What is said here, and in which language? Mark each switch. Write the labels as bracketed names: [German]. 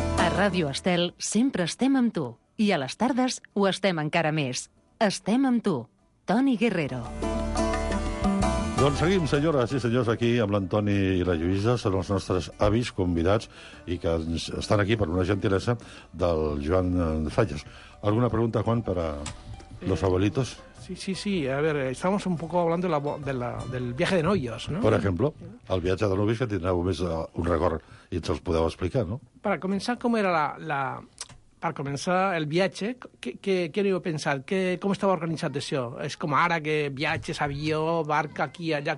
[Catalan] Ràdio Estel sempre estem amb tu. I a les tardes ho estem encara més. Estem amb tu. Toni Guerrero. Doncs seguim, senyores i senyors, aquí amb l'Antoni i la Lluïsa. Són els nostres avis convidats i que estan aquí per una gentilesa del Joan Falles. [Spanish] Alguna pregunta, Juan, per a los abuelitos? Sí. A ver, estamos un poco hablando del viaje de novios, ¿no? Por ejemplo, [Catalan] el viatge de novios que tindreu més un record i ens els podeu explicar, ¿no? [Spanish] Para comenzar, ¿cómo era la... [Catalan] Per començar el viatge, què n'heu pensat? Com estava organitzat això? És com ara que viatges, avió, barca, aquí, allà...